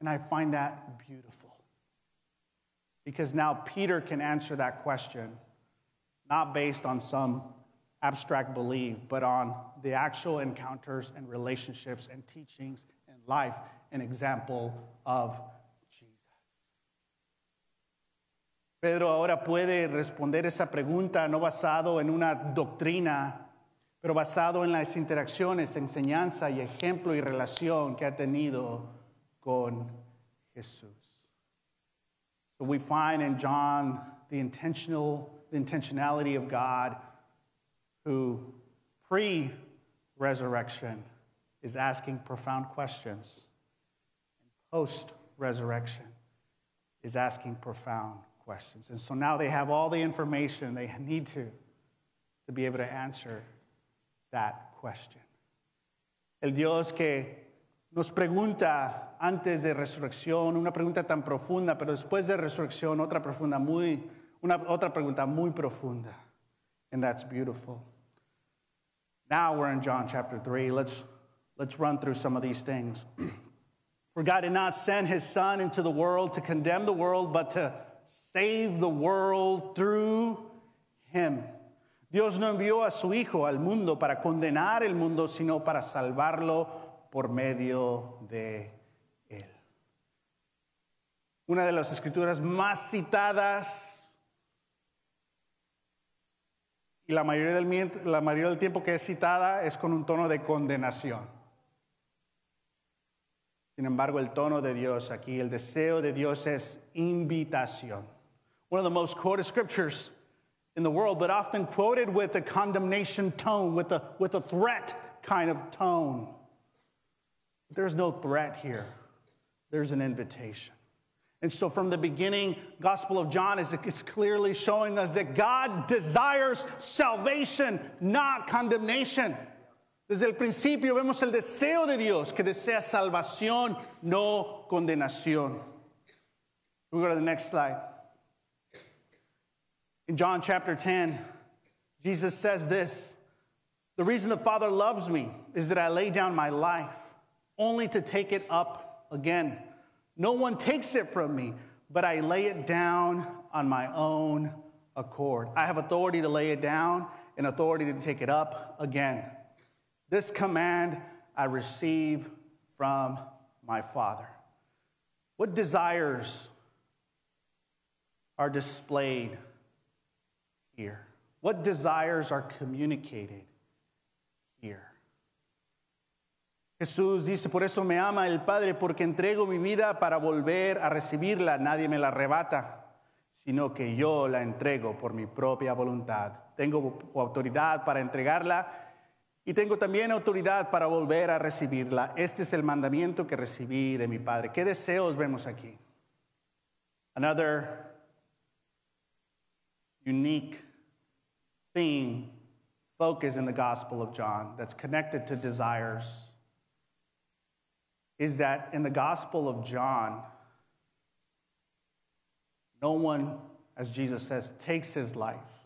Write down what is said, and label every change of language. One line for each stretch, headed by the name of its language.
English: And I find that beautiful. Because now Peter can answer that question, not based on some abstract belief, but on the actual encounters and relationships and teachings and life, an example of Jesus.
Spanish: Pedro ahora puede responder esa pregunta no basado en una doctrina, pero basado en las interacciones, enseñanza y ejemplo y relación que ha tenido con Jesús.
English: So we find in John the intentionality of God, who pre-resurrection is asking profound questions, and post-resurrection is asking profound questions. And so now they have all the information they need to be able to answer that question.
Spanish: El Dios que nos pregunta antes de resurrección, una pregunta tan profunda, pero después de resurrección, otra pregunta muy profunda.
English: And that's beautiful. Now we're in John chapter 3. Let's run through some of these things. For God did not send his son into the world to condemn the world, but to save the world through him.
Spanish: Dios no envió a su hijo al mundo para condenar el mundo, sino para salvarlo por medio de él. Una de las escrituras más citadas, y la mayoría del tiempo que es citada es con un tono de condenación. Sin embargo, el tono de Dios aquí, el deseo de Dios es invitación.
English: One of the most quoted scriptures in the world, but often quoted with a condemnation tone, with a threat kind of tone. But there's no threat here. There's an invitation. And so from the beginning, Gospel of John is clearly showing us that God desires salvation, not condemnation. Desde el principio vemos el deseo de Dios, que desea salvación, no condenación. We go to the next slide. In John chapter 10, Jesus says this, the reason the Father loves me is that I lay down my life only to take it up again. No one takes it from me, but I lay it down on my own accord. I have authority to lay it down and authority to take it up again. This command I receive from my Father. What desires are displayed here? What desires are communicated here?
Spanish: Jesús dice, por eso me ama el Padre, porque entrego mi vida para volver a recibirla. Nadie me la arrebata, sino que yo la entrego por mi propia voluntad. Tengo autoridad para entregarla y tengo también autoridad para volver a recibirla. Este es el mandamiento que recibí de mi Padre. ¿Qué deseos vemos aquí?
English: Another unique theme focus in the Gospel of John that's connected to desires is that in the Gospel of John, no one, as Jesus says, takes his life.